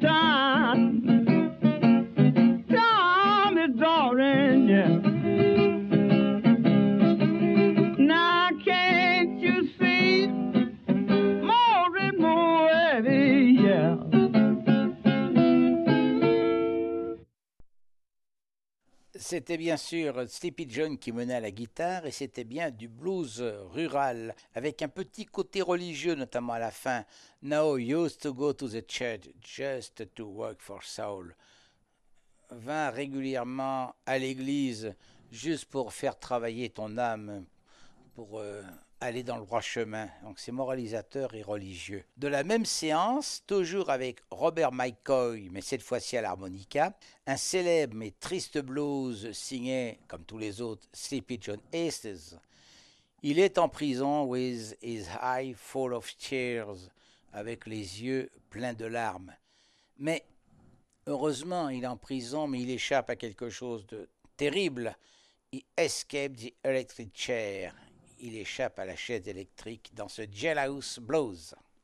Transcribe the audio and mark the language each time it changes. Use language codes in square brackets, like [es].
[en] Time is drawing, yeah. Now can't you see, more and more heavy, yeah. [fr] C'était bien sûr Sleepy John qui menait à la guitare et c'était bien du blues rural avec un petit côté religieux, notamment à la fin. [en] Now you used to go to the church just to work for soul. [fr] Va régulièrement à l'église juste pour faire travailler ton âme, pour aller dans le droit chemin. Donc c'est moralisateur et religieux. De la même séance, toujours avec Robert McCoy, mais cette fois-ci à l'harmonica, un célèbre mais triste blues signé, comme tous les autres, Sleepy John Aces. Il est en prison [en] with his eye full of tears, [fr] avec les yeux pleins de larmes. Mais heureusement, il est en prison, mais il échappe à quelque chose de terrible. [en] He escaped the electric chair. [fr] Il échappe à la chaise électrique dans ce jailhouse blues.